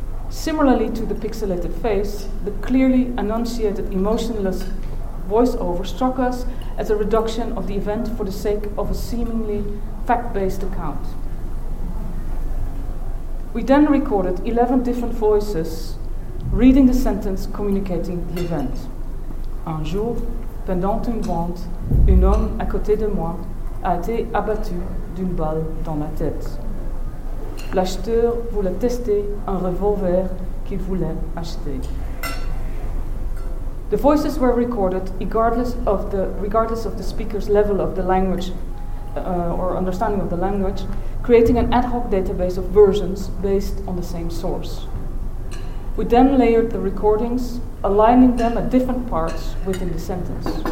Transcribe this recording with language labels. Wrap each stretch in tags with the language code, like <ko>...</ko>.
<en>Similarly to the pixelated face, the clearly enunciated emotionless voiceover struck us as a reduction of the event for the sake of a seemingly fact-based account. We then recorded 11 different voices reading the sentence communicating the event.</en> <fr>Un jour, pendant une vente, un homme à côté de moi a été abattu d'une balle dans la tête. L'acheteur voulait tester un revolver qu'il voulait acheter.</fr> <en>The voices were recorded regardless of the speaker's level of the language or understanding of the language, creating an ad hoc database of versions based on the same source. We then layered the recordings, aligning them at different parts within the sentence.</en>